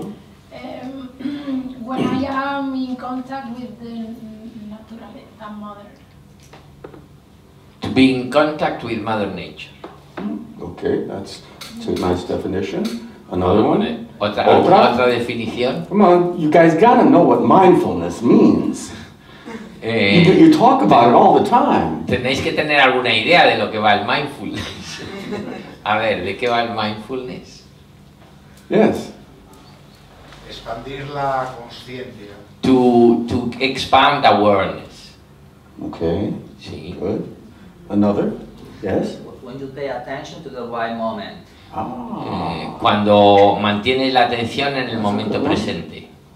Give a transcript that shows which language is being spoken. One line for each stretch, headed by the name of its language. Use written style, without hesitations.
English: When I am in contact with the naturaleza, mother. To be in contact with Mother Nature. Okay, that's a nice definition. Another one?
Spanish: Otra definición.
English: Come on, you guys gotta know what mindfulness means. You talk about it all the time.
Spanish: Tenéis que tener alguna idea de lo que va el mindfulness. A ver, ¿de qué va el mindfulness?
English: Yes.
Spanish: Expandir la conciencia.
English: To expand awareness. Okay.
Spanish: Sí.
English: Good. Another? Yes. When you pay attention to the right moment.
Spanish: Cuando mantienes la atención en el momento presente.